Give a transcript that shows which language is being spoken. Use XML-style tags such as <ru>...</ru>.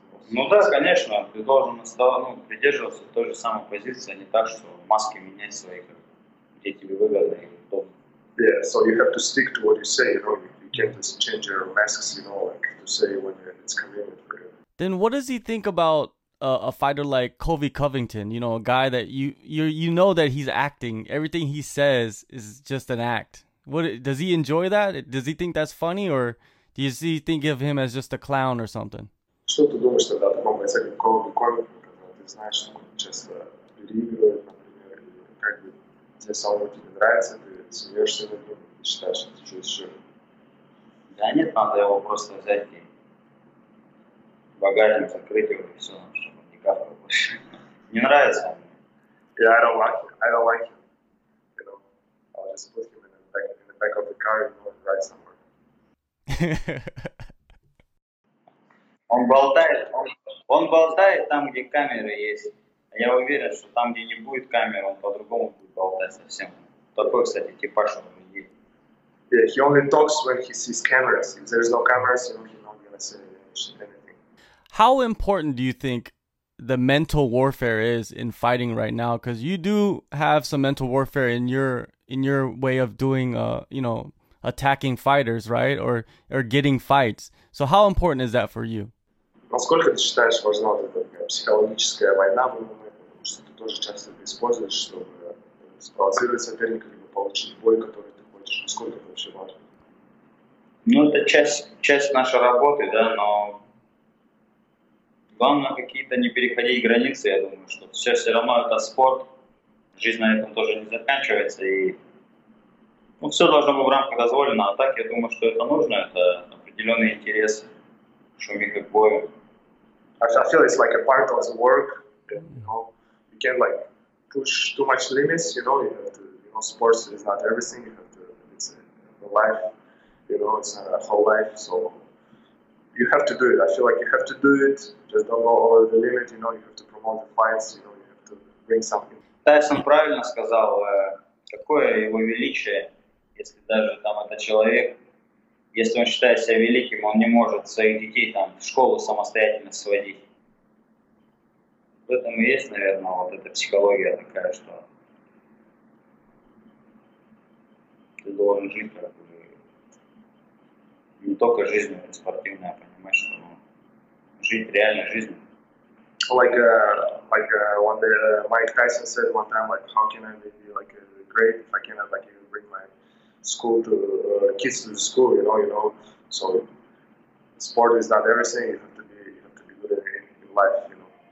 <ru>Ну да, конечно, ты должен придерживаться той же самой позиции, а не так, что маски менять свои, где тебе выгодно или удобно.</ru> <en>Yeah, so you have to stick to what you say, you know, you can't just change your masks, you know, like to say when it's convenient for you. Then what does he think about a fighter like Kobe Covington, you know, a guy that you know that he's acting, everything he says is just an act. What does he enjoy that? Does he think that's funny, or do you see think of him as just a clown or something?</en> <ru>Что ты думаешь тогда о таком человеке, как Коби Ковингтон, когда ты знаешь, что он часто переигрывает, например, и как бы тебе самому тебе нравится, ты смеешься над ним, ты считаешь, что ты чувствуешь? Да нет, надо его просто взять и багажник закрыть его, и все, чтобы он не капал больше. Не нравится он.</ru> <en>Yeah, I don't like him. You know, I'll just put him in the back of the car, you know, and ride somewhere.</en> <ru>Он болтает там, где камера есть. Я уверен, что там, где не будет камеры, он по-другому будет болтать совсем. Такой, кстати, типаж у него есть.</ru> <en>Yeah, he only talks when he sees cameras. If there's no cameras, you know, he's not gonna say anything. How important do you think the mental warfare is in fighting right now? Because you do have some mental warfare in your way of doing, you know, attacking fighters, right? Or getting fights. So how important is that for you?</en> <ru>Насколько ты считаешь важна вот эта психологическая война в MMA, потому что ты тоже часто это используешь, чтобы спровоцировать соперника, либо получить бой, который ты хочешь. Насколько это вообще важно? Ну, это часть нашей работы, да, но главное какие-то не переходить границы, я думаю, что все равно это спорт, жизнь на этом тоже не заканчивается, и ну, все должно быть в рамках дозволено, а так я думаю, что это нужно, это определенный интерес.</ru> <en>I feel it's like a part of the work, you know, you can't like push too much limits, you know, you have to, you know, sports is not everything, you have to, it's a life, you know, it's not a whole life, so you have to do it, I feel like you have to do it, just don't go over the limit, you know, you have to promote the fights, you know, you have to bring something.</en> <ru>Тайсон правильно сказал, какое его величие, если даже там это человек. Если он считает себя великим, он не может своих детей там в школу самостоятельно сводить. В этом и есть, наверное, вот эта психология такая, что ты должен жить как бы не только жизнью, а спортивной, понимаешь, что жить реальной жизнью.</ru> <en>Like when Mike Tyson said one time, like how can I be like great if I cannot like even bring my school to kids to the school, you know. So sport is not everything. You have to be good in life, you know.</en>